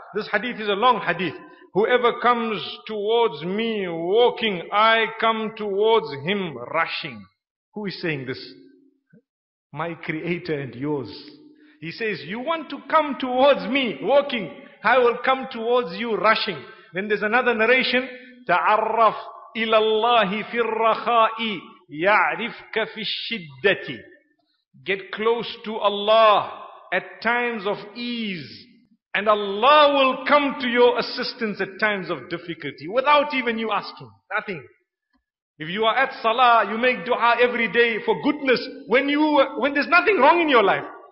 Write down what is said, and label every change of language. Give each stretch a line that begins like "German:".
English: This hadith is a long hadith. Whoever comes towards me walking, I come towards him rushing. Who is saying this? My creator and yours. He says, you want to come towards me walking, I will come towards you rushing. Then there's another narration
Arabic: تعرف إلى الله في الرخاء يعرفك في الشدة.
English: Get close to Allah at times of ease, and Allah will come to your assistance at times of difficulty without even you asking. Nothing. If you are at salah, you make dua every day for goodness when there's nothing wrong in your life.